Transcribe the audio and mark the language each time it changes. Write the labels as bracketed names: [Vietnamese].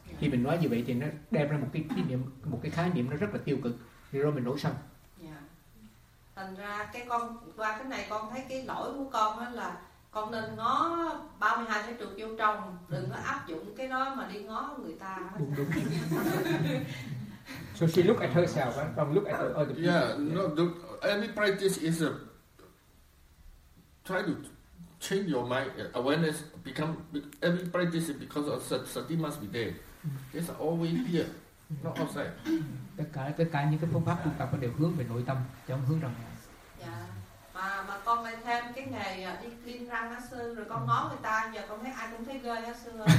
[Vietnamese] Khi mình nói như vậy thì nó đem ra một cái niệm, một cái khái niệm nó rất là tiêu cực. Thì rồi mình nổi sân. Thành ra cái con qua cái này con thấy cái lỗi của con đó là con nên ngó 32 thái trượt vô trong, đừng có áp dụng cái đó mà đi ngó người ta. Đúng. [English] So she look at herself, right? From look at the other people. Yeah, no, any practice is a try to change your mind, awareness become, every practice is because of sati must be there. It's always here, not outside. [Vietnamese] Tất cả những cái phương pháp tu tập đều hướng về nội tâm, chứ không hướng ra ngoài. Dạ, mà con lại thêm cái nghề đi clean răng á sư, rồi con ngó người ta, giờ con thấy ai cũng thấy ghê á sư.